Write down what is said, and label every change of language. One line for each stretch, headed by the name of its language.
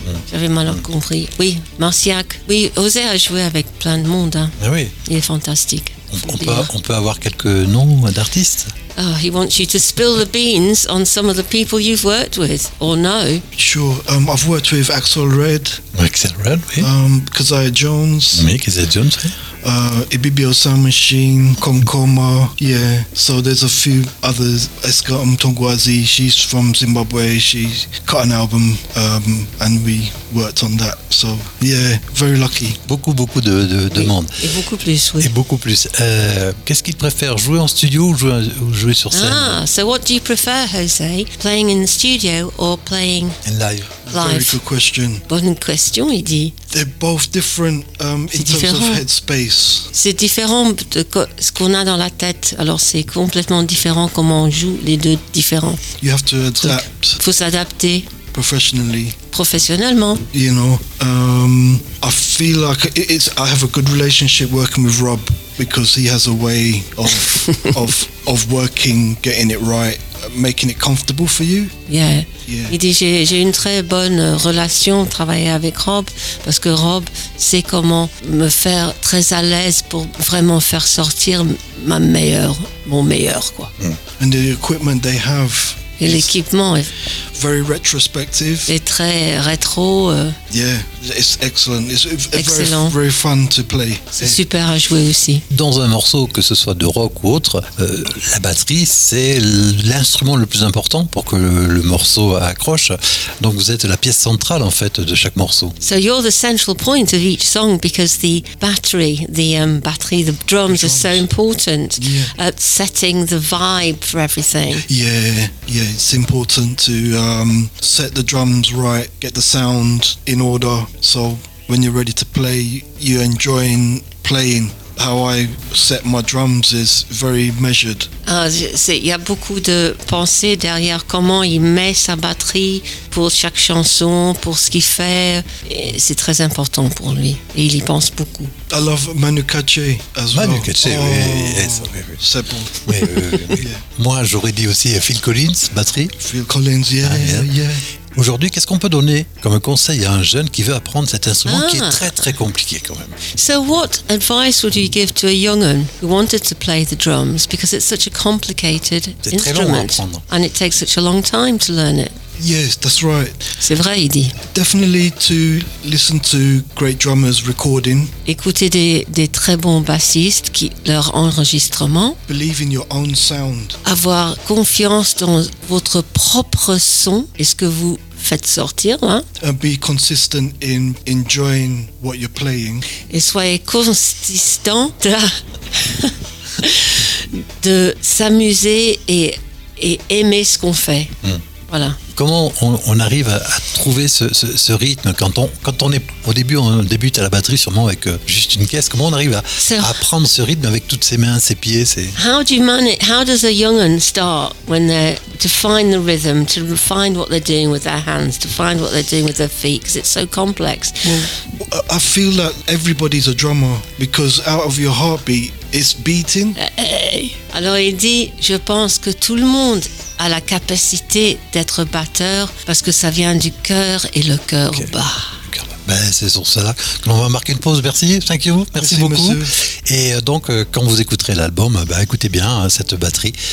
French: J'avais mal compris. Oui, Marciac. Oui, Osez a joué avec plein de monde. Hein. Ah oui. Il est fantastique. On peut avoir quelques noms d'artistes.
English: Oh, he wants you to spill the beans on some of the people you've worked with, or know. Sure, I've worked with Axel Red.
French: Axel Red, oui.
English: Keziah Jones.
French: Oui, Keziah Jones, oui.
English: Ibibio Sound Machine, Komkoma, yeah. So there's a few others. Eska Mtongwazi, she's from Zimbabwe. She cut an album and we worked on that. So, yeah, very lucky.
French: Beaucoup, beaucoup de monde. Et beaucoup plus, oui. Et beaucoup plus. Qu'est-ce qu'il préfère, jouer en studio ou jouer sur scène?
English: Ah, so what do you prefer, Jose? Playing in the studio or playing in live? Live. Very good question.
French: Bonne question, il dit.
English: They're both different in different. Terms of headspace.
French: C'est différent de ce qu'on a dans la tête. Alors c'est complètement différent comment on joue les deux différents.
English: You have to adapt.
French: Il faut s'adapter.
English: Professionally.
French: Professionnellement.
English: You know, I feel like I have a good relationship working with Rob because he has a way of working, getting it right, making it comfortable for you. Yeah. Yeah.
French: Il dit j'ai une très bonne relation travailler avec Rob parce que Rob sait comment me faire très à l'aise pour vraiment faire sortir mon meilleur quoi.
English: Mm. And the equipment they have.
French: Et l'équipement est
English: very retrospective.
French: Et très rétro.
English: Yeah, it's excellent. It's excellent. Very, very fun to play.
French: C'est super à jouer aussi. Dans un morceau, que ce soit de rock ou autre, la batterie, c'est l'instrument le plus important pour que le morceau accroche. Donc vous êtes la pièce centrale, en fait, de chaque morceau.
English: So you're the central point of each song because the drums are so important at setting the vibe for everything. Yeah, it's important to set the drums right, get the sound in order, so when you're ready to play, you're enjoying playing. How I set my drums is very measured.
French: Il y a beaucoup de pensées derrière comment il met sa batterie pour chaque chanson, pour ce qu'il fait. Et c'est très important pour lui et il y pense beaucoup.
English: I love Manu Katché as Manu well. Katché, oh, yes.
French: C'est bon. Mais, moi, j'aurais dit aussi Phil Collins, batterie.
English: Phil Collins, yeah.
French: Aujourd'hui, qu'est-ce qu'on peut donner comme conseil à un jeune qui veut apprendre cet instrument qui est très très compliqué quand même?
English: So what advice would you give to a young un who wanted to play the drums because it's such a complicated instrument?
French: C'est très long à apprendre.
English: And it takes such a long time to learn it. Yes, that's right.
French: C'est vrai, il dit.
English: Definitely to listen to great drummers recording.
French: Écouter des très bons bassistes qui leur enregistrement.
English: Believe in your own sound.
French: Avoir confiance dans votre propre son. Est-ce que vous faites sortir, hein?
English: And be consistent in enjoying what you're playing.
French: Et soyez consistant de s'amuser et aimer ce qu'on fait. Mm. Voilà. Comment on arrive à trouver ce rythme quand on est au début, on débute à la batterie sûrement avec juste une caisse. Comment on arrive à prendre ce rythme avec toutes ses mains, ses pieds, ses...
English: How do you manage? How does a young un start when they're to find the rhythm, to find what they're doing with their hands, to find what they're doing with their feet? Because it's so complex. Well, I feel that everybody's a drummer because out of your heartbeat, it's beating.
French: Alors il dit, je pense que tout le monde a la capacité d'être batteur parce que ça vient du cœur et le cœur bat. Ben, c'est sur cela que l'on va marquer une pause. Merci,
English: thank you.
French: Merci beaucoup. Monsieur. Et donc, quand vous écouterez l'album, ben, écoutez bien cette batterie.